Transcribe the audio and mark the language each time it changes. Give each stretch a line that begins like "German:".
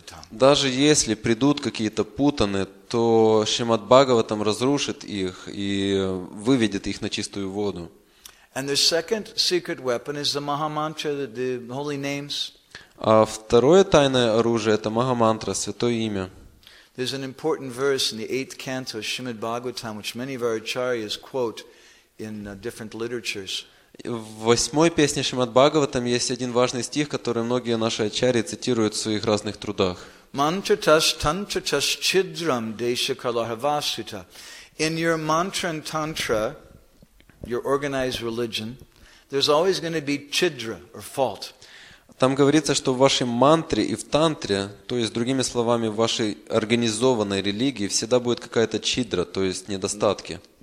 Russian: Даже если придут какие-то путаны, то Шримад Бхагаватам разрушит их и выведет их на чистую воду. А второе тайное оружие – это Махамантра, святое имя.
English: There's an important verse in the 8th canto of Srimad Bhagavatam, which many of our acharyas quote in different literatures.
Russian: В 8-й песне Шримад Бхагаватам есть один важный стих, который многие наши ачарьи цитируют в своих разных трудах.
Sanskrit: Mantratas tantratas chidram desha kalahavasuta.
English: In your mantra and tantra, your organized religion, there's always going to be chidra, or fault.
Russian: Там говорится, что в вашей мантре и в тантре, то есть, другими словами, в вашей организованной религии, всегда будет какая-то чидра, то есть, недостатки.